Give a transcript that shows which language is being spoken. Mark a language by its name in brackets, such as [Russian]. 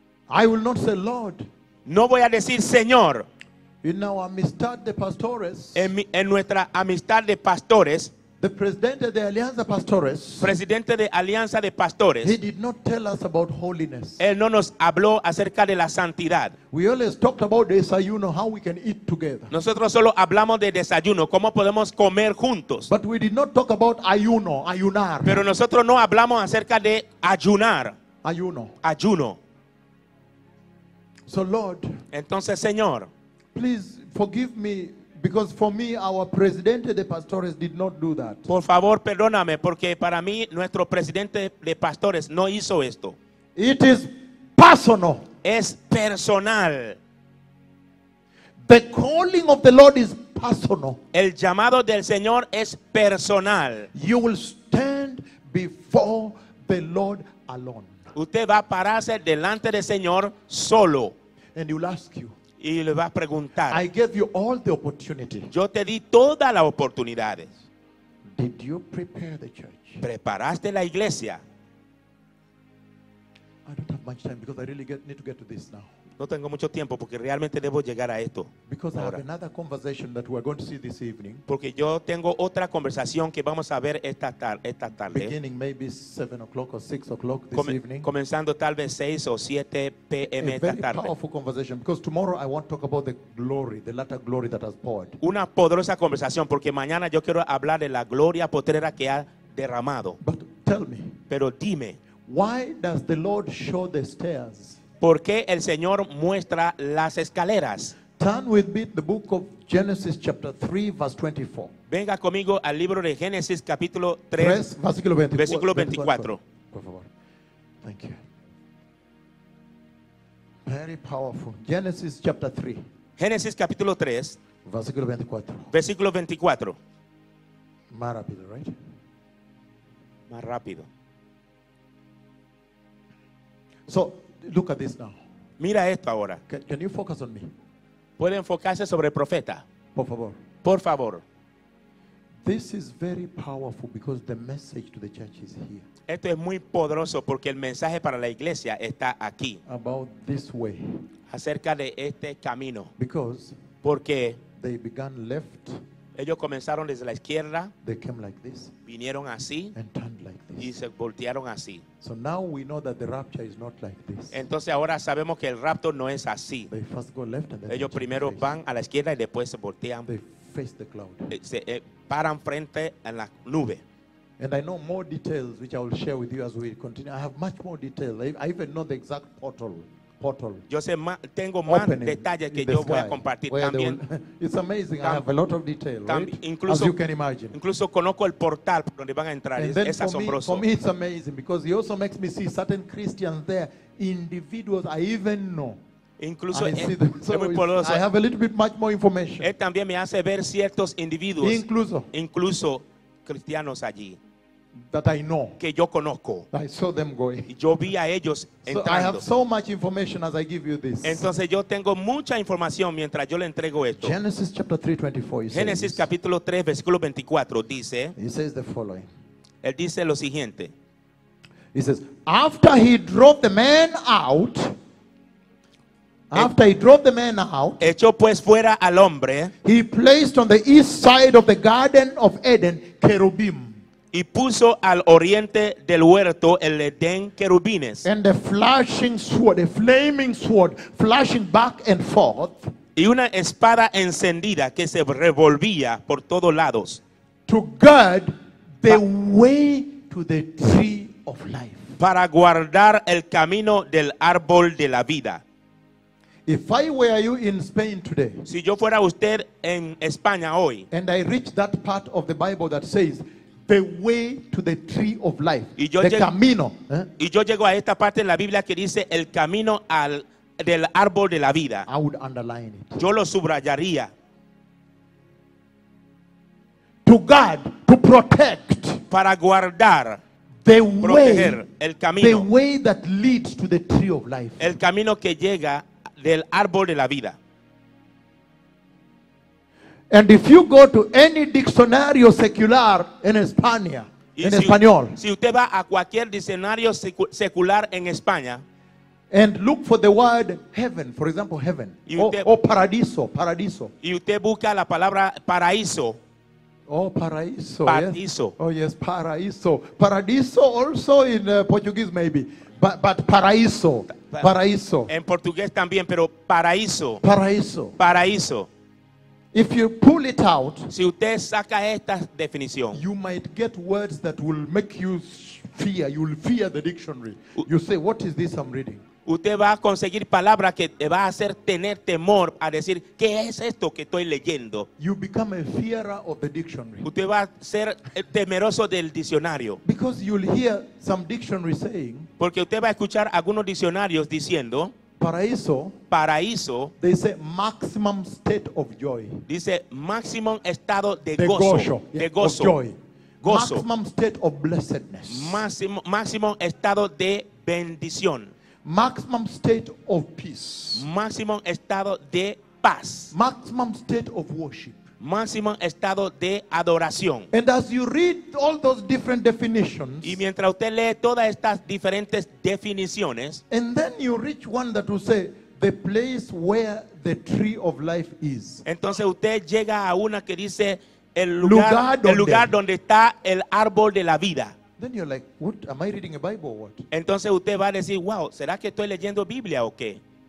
[English] I will not say, Lord, [Spanish] no voy a decir Señor. [English] In our [Spanish] amistad de pastores, en nuestra amistad de pastores, the presidente de Alianza Pastores, presidente de Alianza de Pastores, [English] he did not tell us about holiness. [Spanish] Él no nos habló acerca de la santidad. [English] We always talked about [Spanish] desayuno, [English] how we can eat together. [Spanish] Nosotros solo hablamos de desayuno, cómo podemos comer juntos. [English] But we did not talk about [Spanish] ayuno, ayunar. Pero nosotros no hablamos acerca de ayunar. Ayuno. Ayuno. [English] So Lord, [Spanish] entonces Señor, [English] please forgive me. Because for me, our [Spanish] presidente de pastores [English] did not do that. [Spanish] Por favor, perdóname, porque para mí, nuestro presidente de pastores no hizo esto. [English] It is personal. [Spanish] Es personal. [English] The calling of the Lord is personal. [Spanish] El llamado del Señor es personal. [English] You will stand before the Lord alone. [Spanish] Usted va a pararse delante del Señor solo. [English] And he will ask you. [Spanish] Y le va a preguntar. [English] I gave you all the opportunity. [Spanish] Yo te di todas las oportunidades. [English] Did you prepare the church? [Spanish] ¿Preparaste la iglesia? [English] I don't have much time because I really need to get to this now. [Spanish] No tengo mucho tiempo porque realmente debo llegar a esto. [English] Because [Spanish] ahora. [English] I have another conversation that we're going to see this evening. [Spanish] Porque yo tengo otra conversación que vamos a ver esta tarde. [English] Beginning maybe 7 o'clock or 6 o'clock this evening. [Spanish] Comenzando tal vez 6 o 7 p.m. A esta tarde. [English] A very powerful conversation because tomorrow I want to talk about the glory, the latter glory that has poured. [Spanish] Una poderosa conversación porque mañana yo quiero hablar de la gloria potrera que ha derramado. [English] But tell me. [Spanish] Pero dime. [English] Why does the Lord show the stairs? [Spanish] ¿Por qué el Señor muestra las escaleras? [English] Turn with me to the book of Genesis chapter 3 verse 24. [Spanish] Venga conmigo al libro de Génesis capítulo 3, versículo 24. Versículo 24. Por favor. [English] Thank you. Very powerful. Genesis chapter 3. [Spanish] Génesis capítulo 3, versículo 24. Versículo 24. Más rápido, [English] right? [Spanish] Más rápido. [English] So, look at this now. [Spanish] Mira esto ahora. [English] Can you focus on me? [Spanish] ¿Puede enfocarse sobre el profeta? Por favor. Por favor. [English] This is very powerful because the message to the church is here. [Spanish] Esto es muy poderoso porque el mensaje para la iglesia está aquí. [English] About this way. [Spanish] Acerca de este camino. [English] Because [Spanish] porque [English] they began left. [Spanish] Ellos comenzaron desde la izquierda. [English] They came like this. [Spanish] Vinieron así. [English] And turned like this. [Spanish] Y se voltearon así. [English] So now we know that the rapture is not like this. [Spanish] Entonces ahora sabemos que el rapto no es así. [English] They first go left and then [Spanish] ellos primero van a la izquierda y después se voltean. [English] They face the cloud. [Spanish] Se paran frente a la nube. [English] And I know more details which I will share with you as we continue. I have much more details. I even know the exact portal. [Spanish] Yo sé más, tengo más detalles que yo voy a compartir también. [English] It's amazing. I have a lot of detail, right? [Spanish] Incluso, [English] as you can imagine. [Spanish] Incluso conozco el portal por donde van a entrar. [English] And [Spanish] es asombroso. [English] For me, it's amazing because he also makes me see certain Christians there, individuals I even know. [Spanish] Incluso [English] es I have a little bit much more information. [Spanish] Él también me hace ver ciertos individuos. Incluso cristianos allí. [English] That I know. [Spanish] Que yo conozco. [English] I saw them going. [Spanish] Yo vi a ellos entrando. [English] So I have so much information as I give you this. [Spanish] Entonces yo tengo mucha información mientras yo le entrego esto. [English] Genesis chapter 3, 24. [Spanish] Génesis capítulo 3, versículo 24 dice. [English] He says the following. [Spanish] Él dice lo siguiente. [English] He says, after he drove the man out. After he drove the man out, [Spanish] echó pues fuera al hombre, [English] he placed on the east side of the garden of Eden cherubim. [Spanish] Y puso al oriente del huerto el Edén querubines. [English] And the flashing sword, a flaming sword, flashing back and forth. [Spanish] Y una espada encendida que se revolvía por todos lados. [English] To guard the way to the tree of life. [Spanish] Para guardar el camino del árbol de la vida. [English] If I were you in Spain today, [Spanish] si yo fuera usted en España hoy, [English] and I reach that part of the Bible that says the way to the tree of life, [Spanish] y yo [English] the [Spanish] camino, y yo llego a esta parte de la Biblia que dice el camino al del árbol de la vida, [English] I would underline it. [Spanish] Yo lo subrayaría. [English] To guard, to protect, [Spanish] para guardar. [English] The [Spanish] proteger [English] way, [Spanish] el camino. [English] The way that leads to the tree of life. [Spanish] El camino que llega del árbol de la vida. [English] And if you go to any [Spanish] diccionario secular [English] in España, [Spanish] en español, si usted va a cualquier diccionario secular en España, [English] and look for the word heaven, for example, heaven, [Spanish] o paraíso. Y usted busca la palabra paraíso. Oh, paraíso. Paraíso. [English] Yes. Oh, yes, paraíso. Paraíso also in Portuguese maybe. But paraíso. Paraíso. [Spanish] En portugués también, pero paraíso. Paraíso. Paraíso. [English] If you pull it out, [Spanish] si usted saca esta definición, [English] you might get words that will make you fear. You will fear the dictionary. You say, what is this I'm reading? [Spanish] Usted va a conseguir palabras que te va a hacer tener temor a decir, ¿qué es esto que estoy leyendo? [English] You become a fearer of the dictionary. [Spanish] Usted va a ser temeroso del diccionario. [English] Because you'll hear some dictionary saying, [Spanish] porque usted va a escuchar algunos diccionarios diciendo, paraíso, paraíso, [English] they say maximum state of joy. [Spanish] Dice máximo estado de [English] the [Spanish] gozo. Gozo, de gozo. [English] Of joy. [Spanish] Gozo. [English] Maximum state of blessedness. [Spanish] Máximo estado de bendición. [English] Maximum state of peace. Maximum [Spanish] estado de paz. [English] Maximum state of worship. Maximum [Spanish] estado de adoración. [English] And as you read all those different definitions, [Spanish] y mientras usted lee todas estas diferentes definiciones, [English] and then you reach one that will say the place where the tree of life is. [Spanish] Entonces usted llega a una que dice el lugar donde está el árbol de la vida. [English] Then you're like, what? Am I reading a Bible or what? [Spanish] Entonces usted va a decir, wow, ¿será que estoy leyendo Biblia o qué?